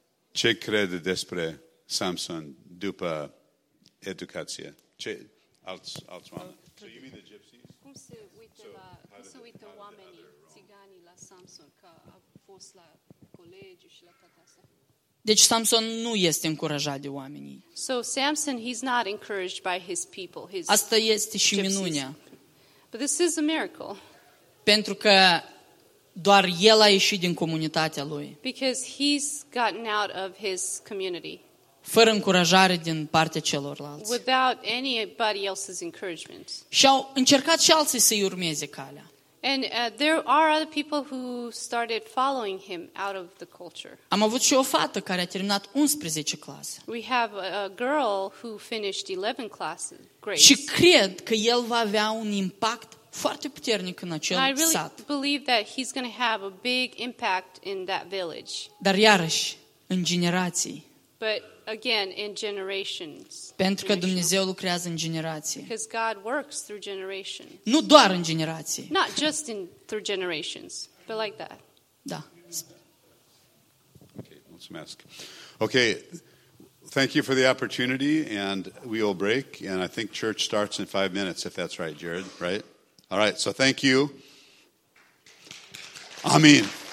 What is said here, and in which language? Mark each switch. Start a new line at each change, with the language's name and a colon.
Romanian: Ce crede despre Samson după educație? Ce alți oameni?
English: So you mean the gypsies?
Romanian: Cum se uită oamenii țigani la Samson că a fost la colegiu și la toate astea? Deci Samson nu este încurajat de oamenii.
English: So Samson, he's not encouraged by his people. His
Romanian: asta este și minunea.
English: But this is a miracle.
Romanian: Pentru că Doar el a ieșit din comunitatea lui.
English: Because he's gotten out of his community.
Romanian: Fără încurajare din partea celorlalți.
English: Without anybody else's encouragement.
Romanian: Și au încercat și alții să-i urmeze calea.
English: And there are other people who started following him out of the culture.
Romanian: Am avut și o fată care a terminat 11 clase.
English: We have a girl who finished 11 classes. Grades.
Romanian: Și cred că el va avea un impact foarte puternic în acel sat.
English: I really
Romanian: sat.
English: Believe that he's going to have a big impact in that village.
Romanian: Dar iarăși, în generații.
English: But again, in generations.
Romanian: Pentru că Dumnezeu lucrează în generații.
English: Because God works through generations.
Romanian: Nu doar în generații.
English: Not just in through generations, but like that.
Romanian: Da.
English: Okay, let's ask. Okay, thank you for the opportunity, and we will break, and I think church starts in 5 minutes, if that's right, Jared, right? All right, so thank you. Amen.